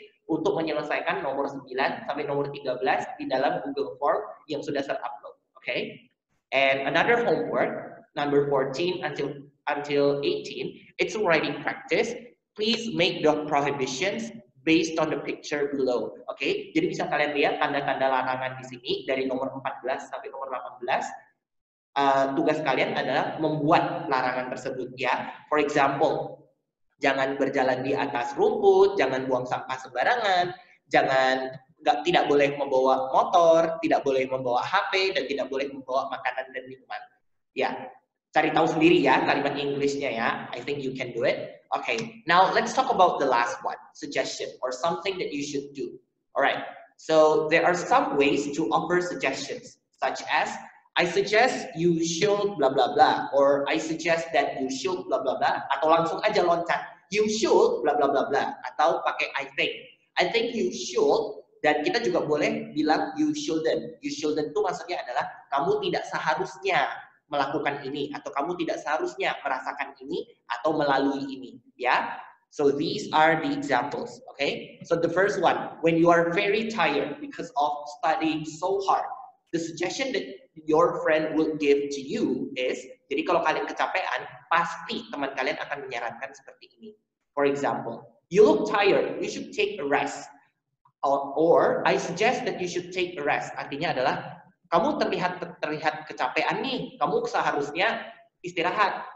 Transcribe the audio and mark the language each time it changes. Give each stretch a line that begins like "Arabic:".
Indonesian: untuk menyelesaikan nomor 9 sampai nomor 13 di dalam Google Form yang sudah terupload.
English: Okay? And another homework, number 14 until 18, it's a writing practice. Please make the prohibitions based on the picture below. Okay?
Indonesian: Jadi bisa kalian lihat tanda-tanda larangan di sini dari nomor 14 sampai nomor 18. Tugas kalian adalah membuat larangan tersebut ya.
English: For example,
Indonesian: jangan berjalan di atas rumput, jangan buang sampah sembarangan, tidak boleh membawa motor, tidak boleh membawa HP, dan tidak boleh membawa makanan dan minuman. Ya, cari tahu sendiri ya kalimat Inggrisnya ya.
English: I think you can do it. Okay, now let's talk about the last one, suggestion or something that you should do. Alright, so there are some ways to offer suggestions, such as I suggest you should blah blah blah, or I suggest that you should blah blah blah,
Indonesian: atau langsung aja loncat
English: you should blah blah blah blah, atau pakai I think you should,
Indonesian: dan kita juga boleh bilang
English: you shouldn't,
Indonesian: itu maksudnya adalah kamu tidak seharusnya melakukan ini, atau kamu tidak seharusnya merasakan ini atau melalui ini, ya.
English: So these are the examples, okay? So the first one, when you are very tired because of studying so hard, the suggestion that your friend will give to you is,
Indonesian: jadi kalau kalian kecapean, pasti teman kalian akan menyarankan seperti ini.
English: For example, you look tired, you should take a rest. Or I suggest that you should take a rest.
Indonesian: Artinya adalah, kamu terlihat kecapean nih, kamu seharusnya istirahat.